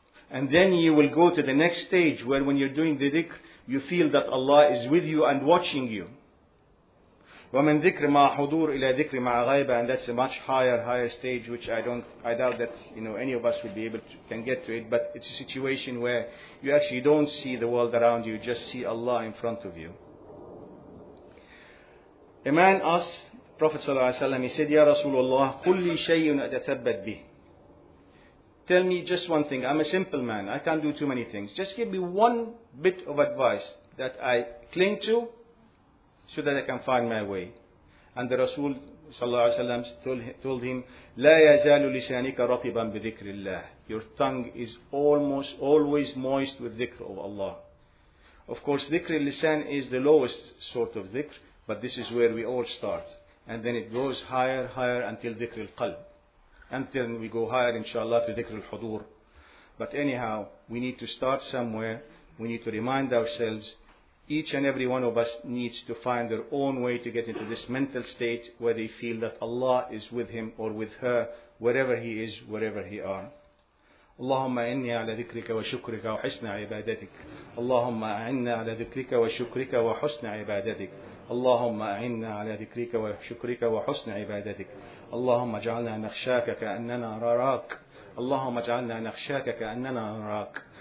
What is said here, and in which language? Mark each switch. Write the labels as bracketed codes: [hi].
[en] And then you will go to the next stage where when you're doing the dhikr, you feel that Allah is with you and watching you. [ar] وَمِن ذِكْرِ مَا حُضُورِ إِلَى ذِكْرِ مَا غَيْبَ. [en] And that's a much higher stage, which I doubt that, you know, any of us will be able to can get to it. But it's a situation where you actually don't see the world around you, just see Allah in front of you. A man asked Prophet ﷺ, he said, [ar] يَا رَسُولُ اللَّهِ قُلِّ شَيْءٌ أَتَثَبَّتْ بِهِ. [en] Tell me just one thing. I'm a simple man. I can't do too many things. Just give me one bit of advice that I cling to so that I can find my way. And the Rasul told him, [ar] لا يزال لسانك رطبا بذكر الله. [en] Your tongue is almost always moist with dhikr of Allah. Of course, dhikr al-lisan is the lowest sort of dhikr, but this is where we all start. And then it goes higher, higher until dhikr al-qalb. And then we go higher, inshallah, to dhikr al-hudur. But anyhow, we need to start somewhere. We need to remind ourselves, each and every one of us needs to find their own way to get into this mental state where they feel that Allah is with him or with her, wherever he is, wherever he are. [ar] اللهم إني على ذكرك وشكرك وحسن عبادتك. اللهم إني على ذكرك وشكرك وحسن عبادتك. اللهم أعنا على ذكرك وشكرك وحسن عبادتك. اللهم اجعلنا نخشاك كأننا نراك. اللهم اجعلنا نخشاك كأننا نراك.